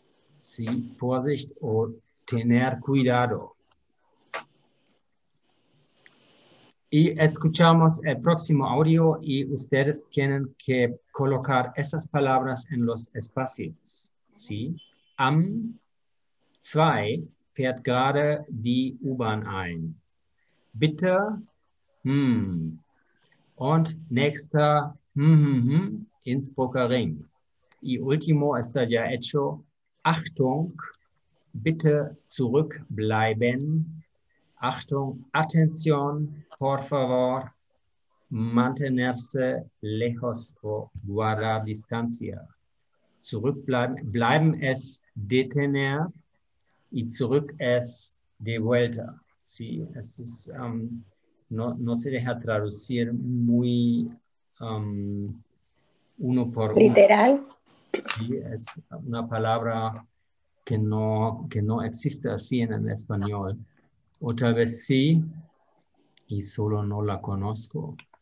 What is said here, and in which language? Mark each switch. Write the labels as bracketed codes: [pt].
[es] Sí, Vorsicht o tener cuidado. Y escuchamos el próximo audio y ustedes tienen que colocar esas palabras en los espacios. Sí. [de] Am 2 fährt gerade die U-Bahn ein. Bitte. Und nächster Innsbrucker Ring. [es] Y último está ya hecho. [de] Achtung, bitte zurückbleiben. [es] Achtung, atención, por favor, mantenerse lejos o guardar distancia. Zurückbleiben, bleiben es detener y zurück es de vuelta. Sí, es no se deja traducir muy uno por uno. ¿Literal? Sí, es una palabra que no existe así en el español. Otra vez sí, y solo no la conozco.